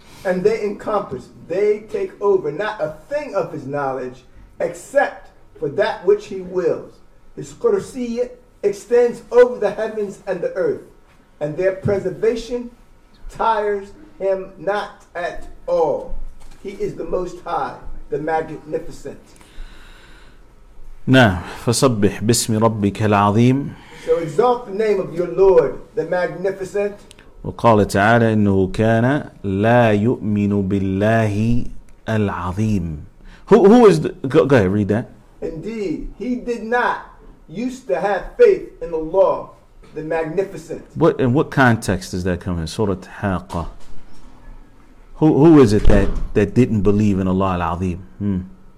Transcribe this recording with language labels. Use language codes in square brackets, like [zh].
[en] And they encompass, they take over not a thing of His knowledge except for that which He wills. His kursi extends over the heavens and the earth, and their preservation tires Him not at all. He is the Most High, the Magnificent. [ar] نعم فصبح باسم ربك العظيم. [en] So exalt the name of your Lord, the Magnificent. [ar] وقال تعالى إنه كان لا يؤمن بالله العظيم. [en] Who is the, go ahead, read that. Indeed, he did not used to have faith in Allah, the Magnificent. What context does that come in? Surah Haqqa. Who is it that didn't believe in Allah al-Azim?